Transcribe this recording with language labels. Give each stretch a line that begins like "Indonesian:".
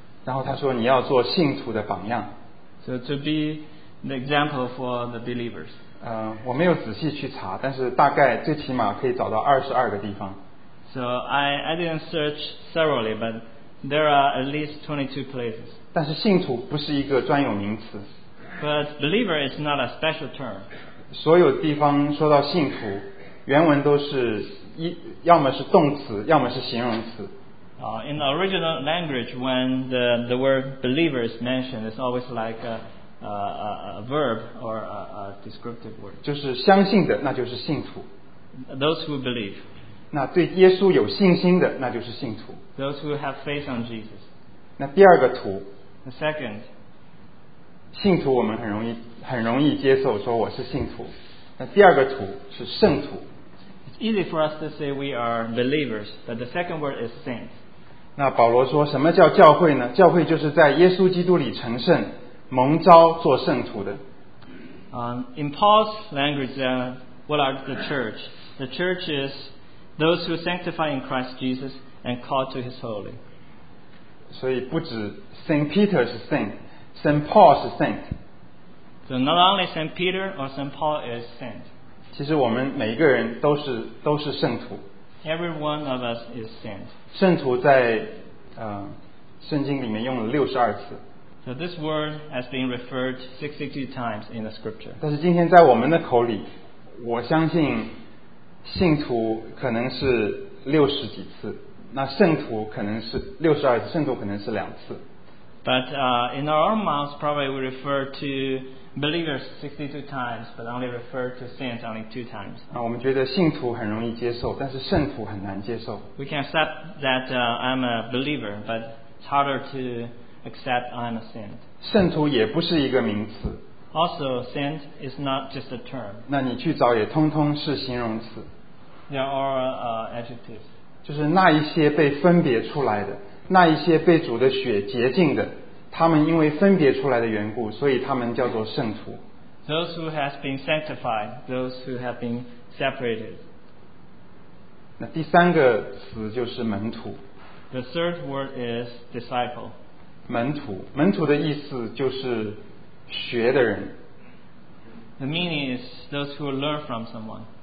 Chinese: 然后他说你要做信徒的榜样。
English: So to be the example for the believers.
Chinese: 我没有仔细去查，但是大概最起码可以找到22个地方。
English: So I didn't search thoroughly, but there are at least 22 places.
Chinese: 但是信徒不是一个专有名词。
English: But believer is not a special term.
Chinese: 所有地方说到信徒，原文都是一，要么是动词，要么是形容词。
English: In the original language, when the word believer is mentioned, it's always like a verb or a descriptive word.
Chinese: 就是相信的，那就是信徒。
English: Those who believe.
Chinese: 那对耶稣有信心的，那就是信徒。
English: Those who have faith on Jesus.
Chinese: 那第二个图。
English: The second.
Chinese: 信徒我们很容易接受说我是信徒。那第二个图是圣徒。
English: It's easy for us to say we are believers, but the second word is saints.
Chinese: 那保罗说什么叫教会呢？教会就是在耶稣基督里成圣，蒙召做圣徒的。
English: In Paul's language, what are the church? The church is those who sanctify in Christ Jesus and call to his holy.
Chinese: 所以不止
English: Saint Peter
Chinese: 是
English: saint,St. Paul is saint. So not only St. Peter or St. Paul is saint.
Chinese: 其实我们每一个人都是圣徒。
English: Every one of us is saint.
Chinese: 圣徒在圣经里面用了62次。
English: So this word has been referred 62 times in the scripture.
Chinese: 但是今天在我们的口里, 我相信信徒可能是60几次, 那圣徒可能是62次, 圣徒可能是2次。
English: But in our own mouths, probably we refer to believers 62 times, but only refer to saints only 2 times.
Chinese: 我们觉得信徒很容易接受,但是圣徒很难接受。
English: We can accept that I'm a believer, but it's harder to accept I'm a saint.
Chinese: 圣徒也不是一个名词。
English: Also, saint is not just a term.
Chinese: 那你去找也通通是形容词。
English: There are adjectives.
Chinese: 就是那一些被分别出来的。那一些被主的血洁净的, 他们因为分别出来的缘故, 所以他们叫做圣徒。
English: Those who have been sanctified, those who have been separated.
Chinese: 那第三个词就是门徒。
English: The third word is disciple.
Chinese: 门徒, 门徒的意思就是学的人。
English: The meaning is those who learn from someone.